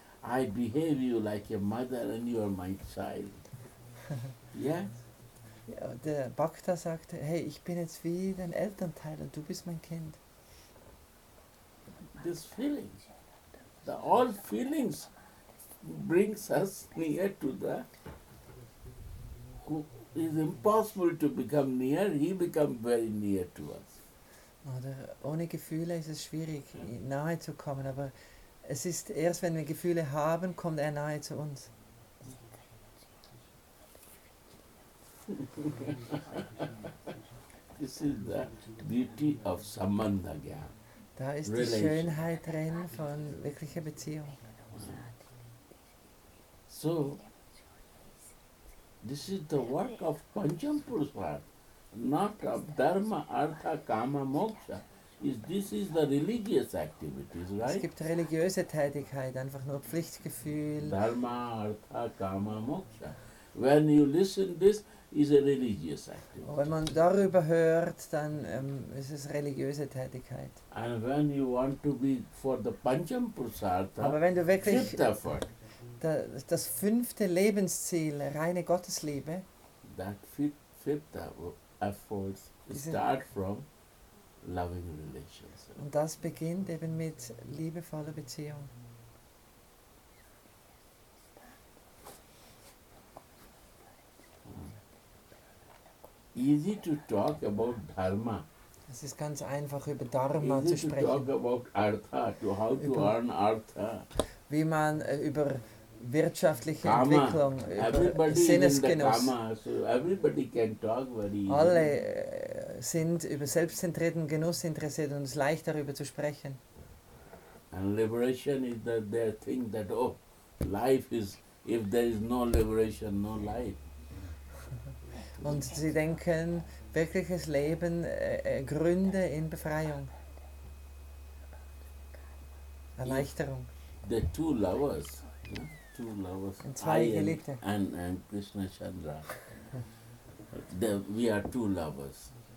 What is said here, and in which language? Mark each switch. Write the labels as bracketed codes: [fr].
[en] I behave you like a mother and you are my child. Yes? [de] Ja, der Bhakta sagt, hey, ich bin jetzt wie dein Elternteil und du bist mein Kind. [en] This feeling, the all feelings brings us near to the who is impossible to become near, he becomes very near to us. [de] Oder ohne Gefühle ist es schwierig, nahe zu kommen, aber es ist erst, wenn wir Gefühle haben, kommt er nahe zu uns. [en] This is the beauty of Sambandha-gyan. [de] Da ist die Schönheit drin von wirklicher Beziehung. [en] So, this is the work of Pancham Puruspar, not of Dharma, Artha, Kama, Moksha. This is the religious activities, right? [de] Es gibt religiöse Tätigkeit, einfach nur Pflichtgefühl. [en] Dharma, Artha, Kama, Moksha. When you listen this, is a religious activity. [de] Wenn man darüber hört, dann ist es religiöse Tätigkeit. [en] And when you want to be for the Pancham Purusartha, [de] aber wenn du wirklich [en] fifth effort, [de] das fünfte Lebensziel, reine Gottesliebe, [en] that fifth effort start from loving relations. [de] Und das beginnt eben mit liebevoller Beziehung. [en] Easy to talk about Dharma. [de] Es ist ganz einfach, über Dharma zu sprechen. [en] Easy to talk about Artha, to how to earn Artha. [de] Wie man über wirtschaftliche Entwicklung, über Sinnesgenuss. [en] Kama, so everybody can talk very easy. [de] Alle sind über selbstzentrierten Genuss interessiert und es ist leicht, darüber zu sprechen. [en] And liberation is that they think that, oh, life is, if there is no liberation, no life. [de] Und sie denken, wirkliches Leben Gründe in Befreiung, Erleichterung. [en] The two lovers, two lovers, [de] und zwei Geliebte. [en] And Krishna Chandra. The, we are two lovers.